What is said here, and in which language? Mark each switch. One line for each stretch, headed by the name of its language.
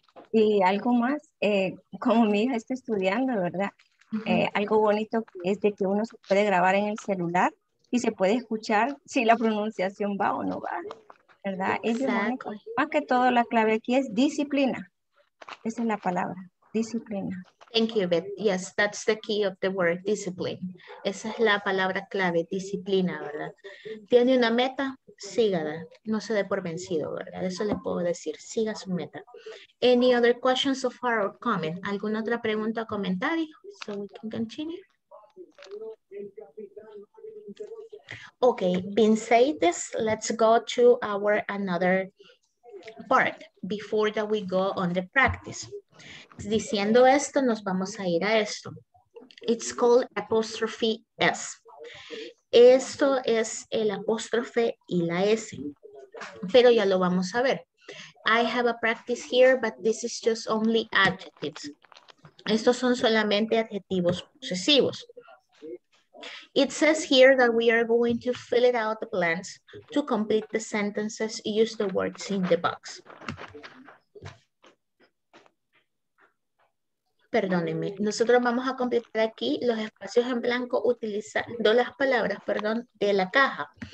Spanish: Y algo más, como mi hija está estudiando, ¿verdad? Algo bonito es de que uno se puede grabar en el celular y se puede escuchar si la pronunciación va o no va, ¿verdad? Más que todo, la clave aquí es disciplina. Esa es la palabra, disciplina.
English: Thank you, Beth. Yes, that's the key of the word, discipline.
Spanish: Esa es la palabra clave, disciplina, ¿verdad? ¿Tiene una meta? Sígala. No se dé por vencido, ¿verdad? Eso le puedo decir. Siga su meta.
English: Any other questions so far or comment?
Spanish: ¿Alguna otra pregunta o comentario?
English: So we can continue. Okay, being said this, let's go to our another part before that we go on the practice.
Spanish: Diciendo esto, nos vamos a ir a esto.
English: It's called apostrophe S.
Spanish: Esto es el apóstrofe y la S. Pero ya lo vamos a ver.
English: I have a practice here, but this is just only adjectives.
Spanish: Estos son solamente adjetivos posesivos.
English: It says here that we are going to fill it out the blanks to complete the sentences, use the words in the box.
Spanish: Perdónenme, nosotros vamos a completar aquí los espacios en blanco utilizando las palabras, perdón, de la caja.